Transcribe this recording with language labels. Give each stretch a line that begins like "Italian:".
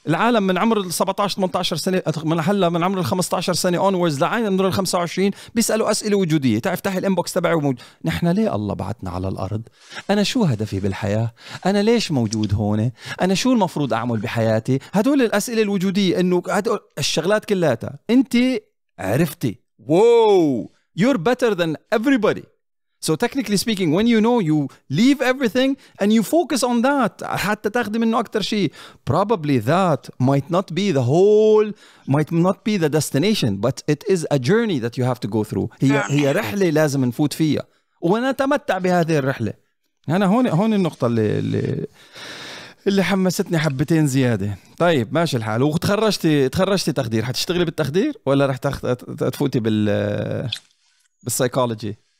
Arabic: العالم من عمر 17-18 سنة, من هلا من عمر 15 سنة onwards لعين عمر 25 بيسألوا أسئلة وجودية. تعرف تحت الانبوكس تبعي موجود. نحن ليه الله بعتنا على الأرض؟ أنا شو هدفي بالحياة؟ أنا ليش موجود هون؟ أنا شو المفروض أعمل بحياتي؟ هدول الأسئلة الوجودية, إنه هدول الشغلات كلاتها. أنت عرفتي.
English: Whoa, you're better than everybody. So technically speaking, when you know, you leave everything and you focus on that.
Arabic: حتى تاخذي منه أكتر شيء.
English: Probably that might not be the whole, might not be the destination, but it is a journey that you have to go through.
Arabic: هي رحلة لازم نفوت فيها. ونتمتع بهذه الرحلة. أنا هون النقطة اللي حمستني حبتين زيادة. طيب ماشي الحال. وتخرجتي تخدير. هتشتغلي بالتخدير ولا رح تفوتي بالسايكولوجي؟